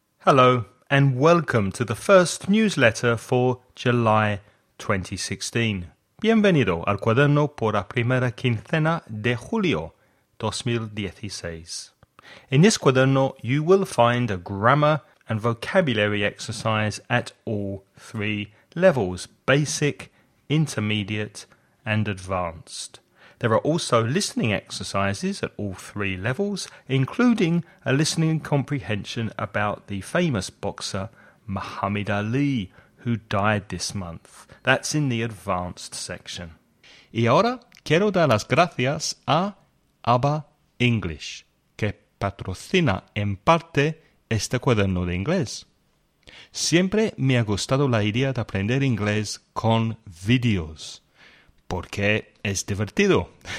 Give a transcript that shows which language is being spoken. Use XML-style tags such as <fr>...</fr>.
<en>Hello and welcome to the first newsletter for July 2016.</en> <es>Bienvenido al cuaderno por la primera quincena de julio 2016.</es> <en>In this cuaderno, you will find a grammar and vocabulary exercise at all three levels, basic, intermediate, and advanced. There are also listening exercises at all three levels, including a listening comprehension about the famous boxer Muhammad Ali, who died this month. That's in the advanced section.</en> <es>Y ahora quiero dar las gracias a ABBA English, que patrocina en parte este cuaderno de inglés. Siempre me ha gustado la idea de aprender inglés con videos, porque es divertido.</es>